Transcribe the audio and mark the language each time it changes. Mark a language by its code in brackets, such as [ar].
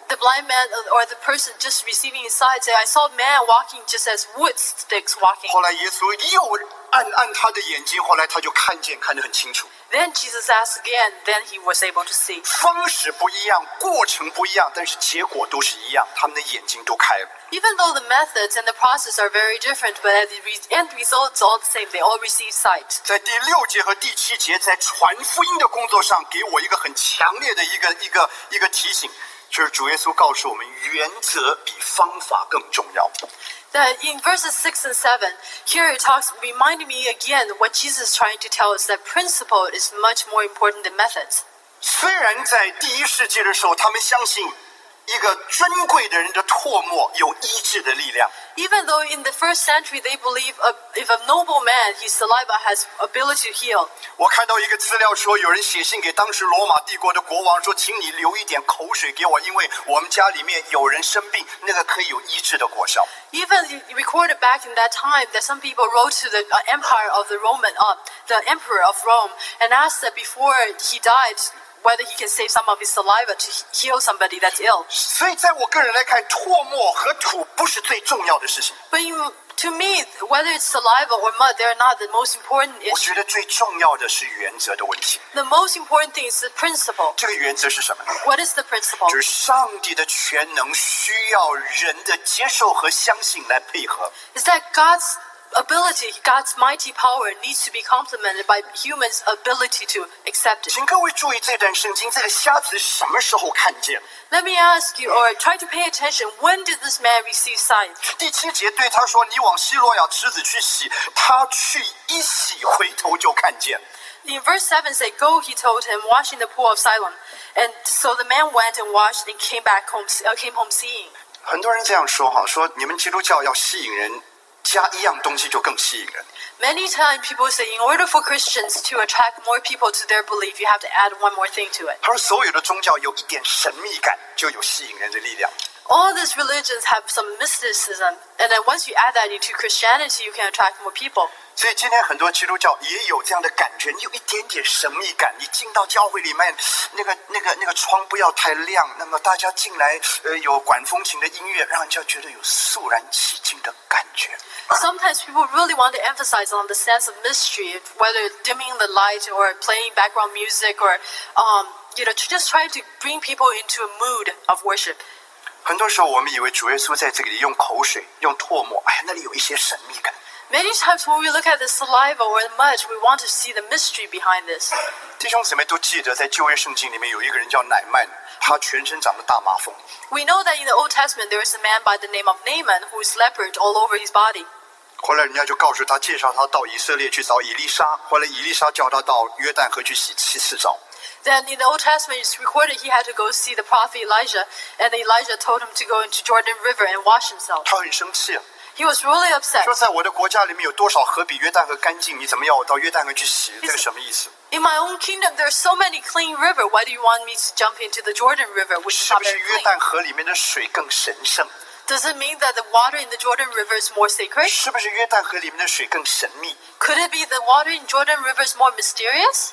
[en] The blind man or the person just receiving his sight said, "I saw man walking just as wood sticks walking." [zh] 后来耶稣又按他的眼睛，后来他就看得很清楚。 [en] Then Jesus asked again. Then he was able to see. [zh] 方式不一样，过程不一样，但是结果都是一样。他们的眼睛都开了。 [en] Even though the methods and the process are very different, but the end results all the same. They all receive sight. [zh] 在第六节和第七节，在传福音的工作上，给我一个很强烈的一个提醒，就是主耶稣告诉我们，原则比方法更重要。 [en] That in verses 6 and 7, here it talks, reminding me again what Jesus is trying to tell us that principle is much more important than methods. [zh] 虽然在第一世纪的时候，他们相信一个尊贵的人的唾沫有医治的力量。 [en] Even though in the first century they believe if a noble man, his saliva has ability to heal. [zh] 我看到一个资料说，有人写信给当时罗马帝国的国王说，请你留一点口水给我，因为我们家里面有人生病，那个可以有医治的果效。 [en] Even recorded back in that time that some people wrote to the empire of the Roman, the emperor of Rome, and asked that before he died. Whether he can save some of his saliva to heal somebody that's ill. [zh] 所以在我个人来看，唾沫和土不是最重要的事情。 [en] But to me, whether it's saliva or mud, they're not the most important. [zh] 我觉得最重要的是原则的问题。 [en] The most important thing is the principle. [zh] 这个原则是什么呢 [en] ？What is the principle? [zh] 就是上帝的全能需要人的接受和相信来配合。 [en] Is that God's ability, God's mighty power needs to be complemented by humans' ability to accept it. [zh] 请各位注意这段圣经，这个瞎子什么时候看见 [en] ？Let me ask you, or try to pay attention. When did this man receive sight? [zh] 第七节对他说：“你往希罗亚池子去洗。” 他去一洗，回头就看见。 [en] In verse 7 say, go, he told him, wash in the pool of Siloam. And so the man went and washed and came back home, came home seeing. [zh] 很多人这样说哈，说你们基督教要吸引人。加一样东西就更吸引人。 [en] Many times people say, in order for Christians to attract more people to their belief, you have to add one more thing to it. [zh] 他说，所有的宗教有一点神秘感，就有吸引人的力量。 [en] All these religions have some mysticism, and then once you add that into Christianity, you can attract more people. [zh] 所以今天很多基督教也有这样的感觉，你有一点点神秘感。你进到教会里面，那个窗不要太亮，那么大家进来，有管风琴的音乐，让人家觉得有肃然起敬的感觉。 [en] Sometimes people really want to emphasize on the sense of mystery, whether dimming the light or playing background music, or just trying to bring people into a mood of worship. [zh] 很多时候我们以为主耶稣在这里用口水、用唾沫，哎呀，那里有一些神秘感。 [en] Many times when we look at the saliva or the mud, we want to see the mystery behind this. [zh] 弟兄姊妹都记得，在旧约圣经里面有一个人叫乃曼，他全身长着大麻风。 [en] We know that in the Old Testament there is a man by the name of Naaman who is leprous all over his body. [zh] 后来人家就告诉他，介绍他到以色列去找以利沙，后来以利沙叫他到约旦河去洗七次澡。 [en] Then in the Old Testament, it's recorded he had to go see the prophet Elijah, and Elijah told him to go into Jordan River and wash himself. [zh] 他很生气。 [en] He was really upset. [zh] 说在我的国家里面有多少河比约旦河干净，你怎么要我到约旦河去洗？这个什么意思？ [en] In my own kingdom, there are so many clean rivers. Why do you want me to jump into the Jordan River, which is not very clean? [zh] 是不是约旦河里面的水更神圣？ [en] Does it mean that the water in the Jordan River is more sacred? [zh] 是不是约旦河里面的水更神秘？ [en] Could it be the water in Jordan River is more mysterious?